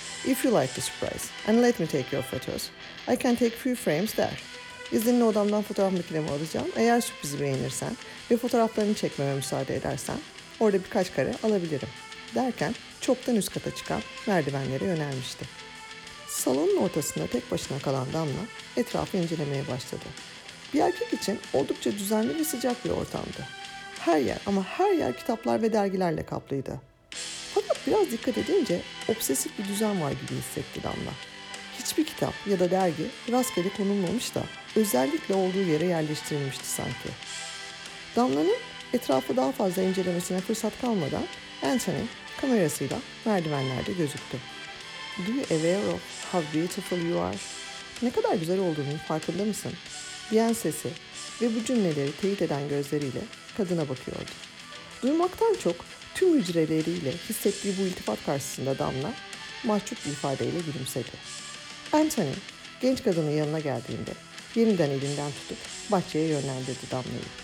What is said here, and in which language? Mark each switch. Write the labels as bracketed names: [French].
[English] If you like the surprise and let me take your photos, I can take few frames there. [Turkish] İzninle odamdan fotoğraf makinemi alacağım. Eğer sürprizi beğenirsen ve fotoğraflarını çekmeme müsaade edersen orada birkaç kare alabilirim." derken çoktan üst kata çıkan merdivenlere yönelmişti. Salonun ortasında tek başına kalan Damla etrafı incelemeye başladı. Bir erkek için oldukça düzenli ve sıcak bir ortamdı. Her yer ama her yer kitaplar ve dergilerle kaplıydı. Fakat biraz dikkat edince obsesif bir düzen var gibi hissetti Damla. Hiçbir kitap ya da dergi rastgele konulmamış da özellikle olduğu yere yerleştirilmişti sanki. Damla'nın etrafı daha fazla incelemesine fırsat kalmadan Anthony kamerasıyla merdivenlerde gözüktü. [English] "Do you aware of how beautiful you are?" [Turkish] "Ne kadar güzel olduğunun farkında mısın?" diyen sesi ve bu cümleleri teyit eden gözleriyle kadına bakıyordu. Duymaktan çok tüm hücreleriyle hissettiği bu iltifat karşısında Damla mahcup bir ifadeyle gülümsedi. Anthony genç kadının yanına geldiğinde yeniden elinden tutup bahçeye yönlendirdi Damla'yı.